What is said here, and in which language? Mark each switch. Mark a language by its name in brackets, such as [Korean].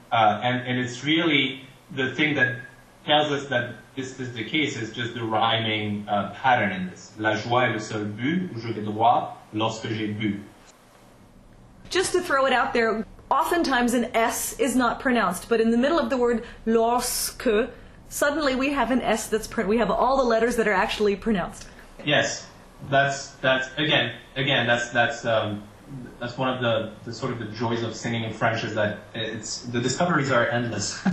[English] And it's really the thing that tells us that this is the case is just the rhyming pattern in this. [French] La joie est le seul bu où je vais droit lorsque j'ai bu. [English] Just to throw it out there, oftentimes an S is not pronounced, but in the middle of the word lorsque, suddenly we have an S that's we have all the letters that are actually pronounced. Yes, that's one of the sort of the joys of singing in French is that it's the discoveries are endless.